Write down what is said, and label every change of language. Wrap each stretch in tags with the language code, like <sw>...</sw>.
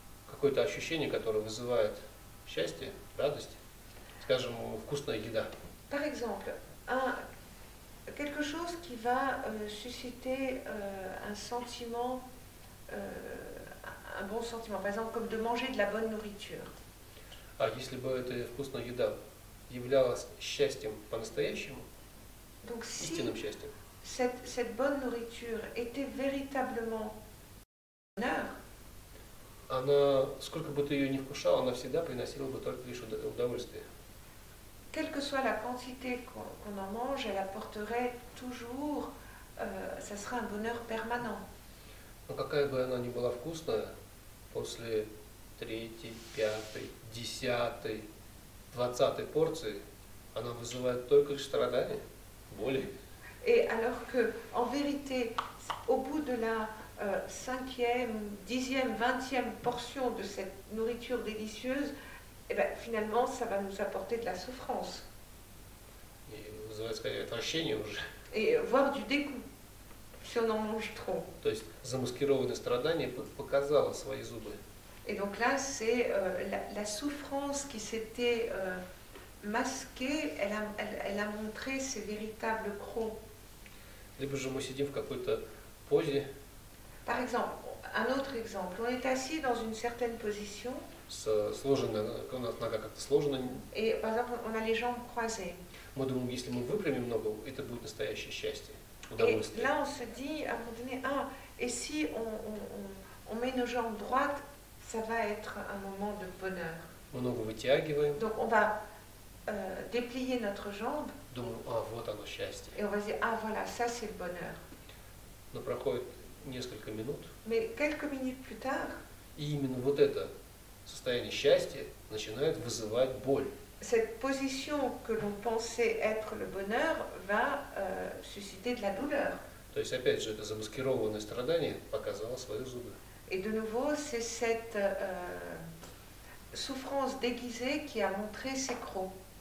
<ru>какое-то ощущение, которое вызывает счастье, радость, скажем, вкусная еда.</ru> <fr>Par exemple, quelque chose qui va susciter un sentiment, un bon sentiment, par exemple, comme de manger de la bonne nourriture.</fr> <ru>А если бы эта вкусная еда являлась счастьем по-настоящему,</ru> <fr>donc,</fr> <ru>истинным</ru> <fr>si</fr> <ru>счастьем,</ru> <fr>cette bonne nourriture était véritablement bonheur,</fr> <ru>она, сколько бы ты ее ни вкушал, она всегда приносила бы только лишь удовольствие.</ru> <fr>Quelle que soit la quantité qu'on en mange, elle apporterait toujours, ça serait un bonheur permanent.</fr> <ru>Но какая бы она ни была вкусная, после третьей, пятой, десятой, двадцатой порции, она вызывает только лишь страдания, боли.</ru> <fr>Et alors que, en vérité, au bout de la cinquième, dixième, vingtième portion de cette nourriture délicieuse, eh ben, finalement, ça va nous apporter de la souffrance. Et vous avez</fr> <ru>скорее отвращение уже.</ru> <fr>Et voire du dégoût, si on en mange trop.</fr> <ru>То есть замаскированное страдание показало свои зубы.</ru> <fr>Et donc là, c'est la souffrance qui s'était masquée, elle a montré ses véritables crocs.</fr> <ru>Либо же мы сидим в какой-то позе.</ru> <fr>Par exemple, un autre exemple, on est assis dans une certaine position.</fr> <ru>Сложенная, у нас нога как-то сложенная.</ru> <fr>Et par exemple, on a les jambes croisées.</fr> <ru>Мы думаем, если мы выпрямим ногу, это будет настоящее счастье, удовольствие.</ru> <fr>Et là, on se dit à un moment donné, et si on met nos jambes droites, ça va être un moment de bonheur.</fr> <ru>Мы ногу вытягиваем.</ru> <fr>Donc on va déplier notre jambe.</fr> <ru>Думаю, вот оно счастье.</ru> <fr>Et on va dire, voilà, ça c'est le bonheur.</fr> <ru>Но проходит несколько минут.</ru> <fr>Mais quelques minutes plus tard.</fr> <ru>И именно вот это состояние счастья начинает вызывать боль.</ru> <fr>Cette position que l'on pensait être le bonheur va susciter de la douleur.</fr> <ru>То есть опять же это замаскированное страдание показало свои зубы.</ru> <fr>Et de nouveau, c'est cette souffrance déguisée qui a montré ses crocs.</fr>